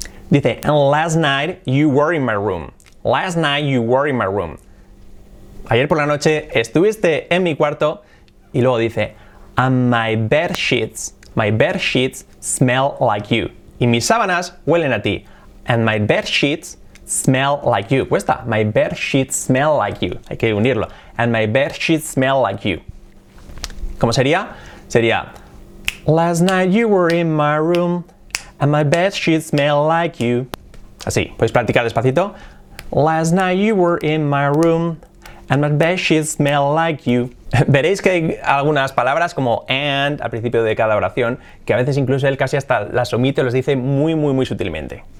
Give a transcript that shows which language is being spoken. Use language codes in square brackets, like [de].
[es] Dice, [en] and last night you were in my room. Last night you were in my room. [es] Ayer por la noche estuviste en mi cuarto. Y luego dice, [en] and my bed sheets smell like you. [es] Y mis sábanas huelen a ti. [en] And my bed sheets smell like you. Cuesta, my bed sheets smell like you. [es] Hay que unirlo. [en] And my bed sheets smell like you. [es] ¿Cómo sería? Sería, [en] last night you were in my room, and my bed sheets smell like you. [es] Así, puedes practicar despacito. [en] Last night you were in my room, and my bed sheets smell like you. [es] Veréis que hay algunas palabras como and al principio de cada oración que a veces incluso él casi hasta las omite o las dice muy, muy, muy sutilmente.